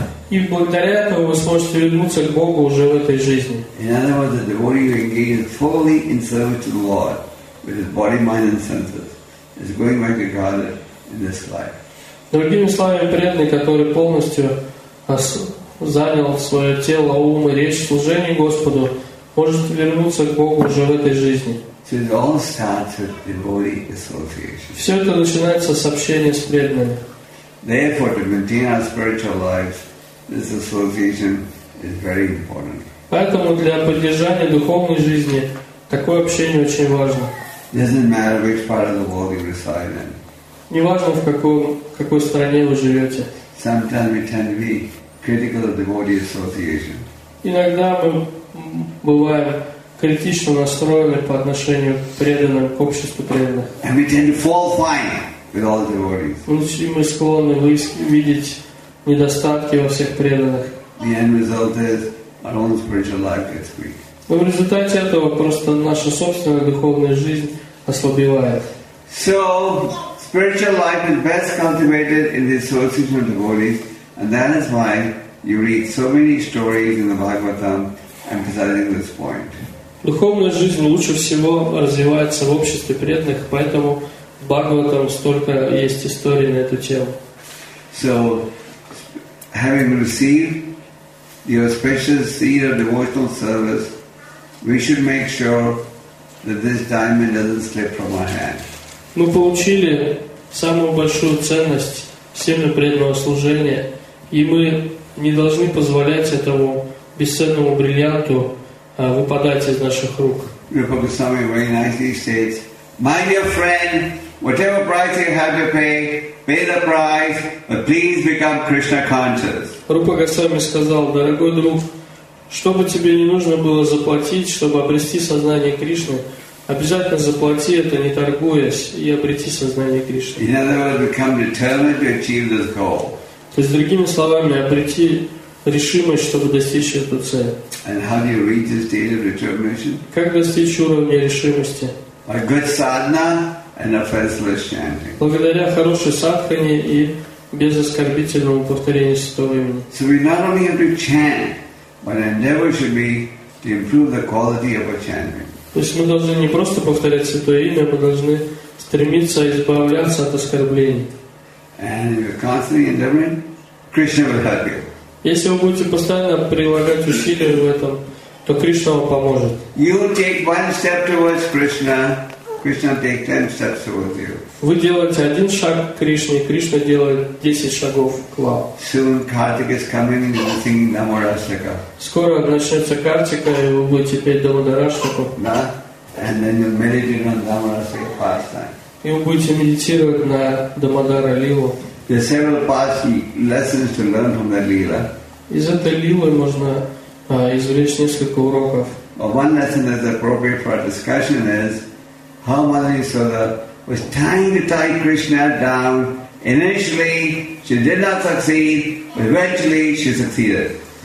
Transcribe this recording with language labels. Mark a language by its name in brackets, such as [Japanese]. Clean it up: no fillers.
[Russian] И благодаря этому вы сможете вернуться к Богу уже в этой жизни. [English] In other words, the devotee who engages fully in service to the Lord with his body, mind, and senses is going back to God in this life. [Russian] Другими словами, преданный, который полностью занял свое тело, ум и речь служение Господу, может вернуться к Богу уже в этой жизни. [English] So it all starts with devotee association. [Russian] Все это начинается с общения с преданными. [English] Therefore, to maintain our spiritual lives, this association is very important. [Russian] Поэтому для поддержания духовной жизни такое общение очень важно. [English] It doesn't matter which part of the world you reside in. [Russian] Не важно, в какой стране вы живете. [English] Sometimes we tend to be critical of devotee association. [Russian] Иногда мы бываем критично настроены по отношению к преданным, к обществу преданных. [English] And we tend to fall fine with all devotees. [Russian] Мы склонны видеть недостатки во всех преданных. [English] The end result is our own spiritual life gets weak. [Russian] Но в результате этого просто наша собственная духовная жизнь ослабевает. [English] So, spiritual life is best cultivated in the association of devotees, and that is why you read so many stories in the Bhagavatam emphasizing this point. [Russian] Духовная жизнь лучше всего развивается в обществе преданных, поэтому в Бхагаватам столько есть историй на эту тему. [English] So, having received the auspicious seed of devotional service, we should make sure that this diamond doesn't slip from our hand. [Russian] Мы получили самую большую ценность всеми преданного служения, и мы не должны позволять этому бесценному бриллианту выпадать из наших рук. [English] Rupa Goswami very nicely states, my dear friend, whatever price you have to pay the price, but please become Krishna conscious. [Russian] Rupa Goswami сказал, дорогой друг, что бы тебе не нужно было заплатить, чтобы обрести сознание Кришны, обязательно заплати это, не торгуясь, и обрети сознание Кришны. [English] In other words, become determined to achieve this goal. [Russian] То есть, другими словами, обрети решимость, чтобы достичь эту цель. [English] And how do you reach this state of determination? [Russian] Как достичь уровня решимости? [English] By good sadhana and offenseless chanting. [Russian] Благодаря хорошей садхане и без оскорбительного повторения святого имени. [English] So we not only have to chant, but our endeavor should be to improve the quality of our chanting. [Russian] То есть мы должны не просто повторять святое имя, мы должны стремиться избавляться от оскорблений. [English] And if you're constantly endeavoring, Krishna will help you. [Russian] Если вы будете постоянно прилагать усилия в этом, то Кришна вам поможет. [English] You take one step towards Krishna, Krishna takes 10 steps towards you. [Russian] Вы делаете один шаг к Кришне, Кришна делает 10 шагов к вам. [English] Soon Kartika is coming and you're singing Damodarashtaka. [Russian] Скоро начнется Картика, и вы будете петь Дамодараштаку. Да? [English] And then you're meditating on Damodarashtaka pastime. [Russian] И вы будете медитировать на Дамодара Лилу. [English] There are several paths, lessons to learn from that lila. [Russian] Из этой лилы можно извлечь несколько уроков. [English] One lesson that's appropriate for our discussion is how Mother Yasoda was trying to tie Krishna down. Initially, she did not succeed, but eventually she succeeded.